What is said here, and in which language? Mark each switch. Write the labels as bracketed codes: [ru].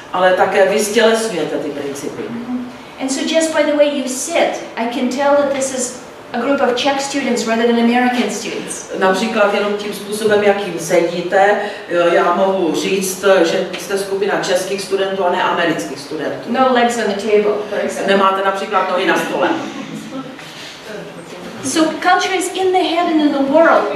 [cs] Ale také vy stělesňujete ty principy. Mm-hmm. [en] And so just by the way you sit, I can tell that this is a group of Czech students rather than American students. [cs] Například jenom tím způsobem, jakým sedíte, já mohu říct, že jste skupina českých studentů a ne amerických studentů. [en] No legs on the table, for example. [cs] Nemáte například nohy na stole. [en] So culture is in the head and in the world.